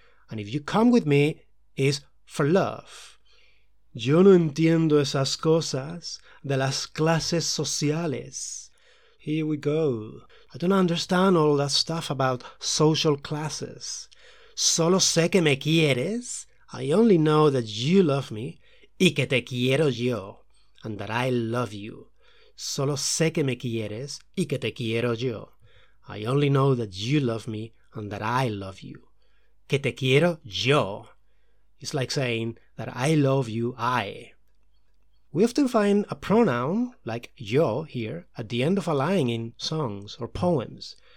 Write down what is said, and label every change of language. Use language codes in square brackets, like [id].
[en] And if you come with me, is for love. [es] Yo no entiendo esas cosas de las clases sociales. [en] Here we go. I don't understand all that stuff about social classes. [es] Solo sé que me quieres. [en] I only know that you love me, [es] y que te quiero yo, [en] and that I love you. [es] Solo sé que me quieres, y que te quiero yo. [en] I only know that you love me, and that I love you. [es] Que te quiero yo. [en] It's like saying that I love you, I. We often find a pronoun, like yo here, at the end of a line in songs or poems.